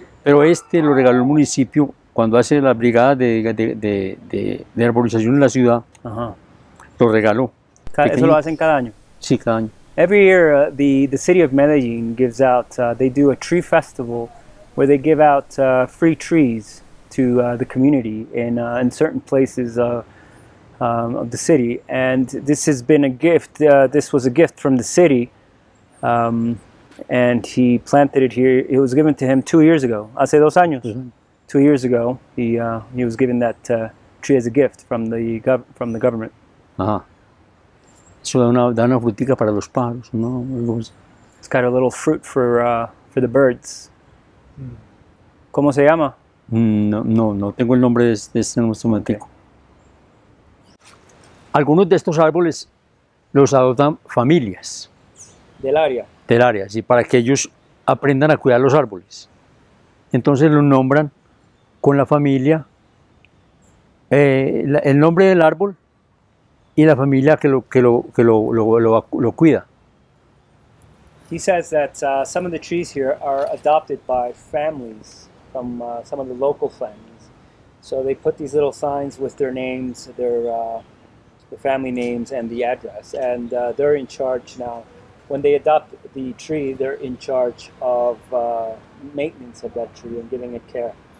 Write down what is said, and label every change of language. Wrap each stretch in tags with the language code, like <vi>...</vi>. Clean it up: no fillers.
<es>Pero este lo regaló el municipio cuando hace la brigada de arborización en la ciudad. Uh-huh. Lo regaló. ¿Eso lo hacen cada año? Sí, cada año.</es> <en>Every year the city of Medellin gives out, they do a tree festival where they give out free trees to the community in certain places of the city. And this has been a gift, this was a gift from the city. And he planted it here. It was given to him 2 years ago. Hace dos años. Mm-hmm. 2 years ago, he was given that tree as a gift from the government.</en> <es>Ajá. Eso da una frutica para los pájaros, ¿no?</es> <en>It's got a little fruit for the birds.</en> <es>Mm. ¿Cómo se llama? No tengo el nombre de este nomadico. Okay. Algunos de estos árboles los adoptan familias. Del área. Del área, sí, para que ellos aprendan a cuidar los árboles. Entonces lo nombran con la familia, el nombre del árbol y la familia que lo cuida.</es> <en>He says that some of the trees here are adopted by families from some of the local families. So they put these little signs with their names, their family names and the address, and they're in charge now. When they adopt the tree, they're in charge of maintenance of that tree and giving it care.</en>